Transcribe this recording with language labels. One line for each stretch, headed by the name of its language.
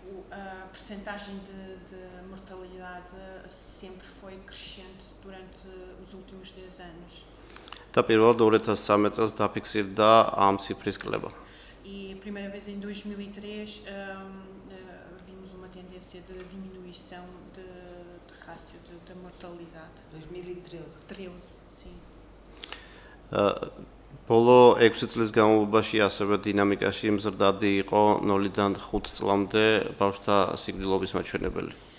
Portuguese: A percentagem de mortalidade sempre foi crescente durante os últimos 10 anos.
Georgian: Da პირველად 2013 წელს დაფიქსირდა ამ ციფრის კლება.
Portuguese: E a primeira vez em 2003 vimos uma tendência de diminuição de rácio de mortalidade. 2013, sim.
Georgian: Polo 6 წლის განმავლობაში ასევე დინამიკაში მზრდადი იყო 0-დან 5 წლამდე ბავშვთა სიკვდილობის მაჩვენებელი.